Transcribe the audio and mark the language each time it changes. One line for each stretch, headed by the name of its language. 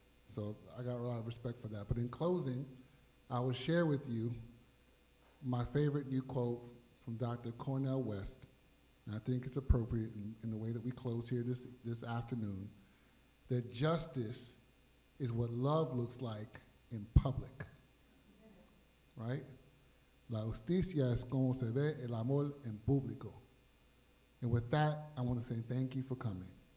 English: So I got a lot of respect for that. But in closing, I will share with you my favorite new quote from Dr. Cornel West. And I think it's appropriate in the way that we close here this afternoon, that justice is what love looks like in public, right?
Spanish: La justicia es como se ve el amor en público.
English: And with that, I want to say thank you for coming.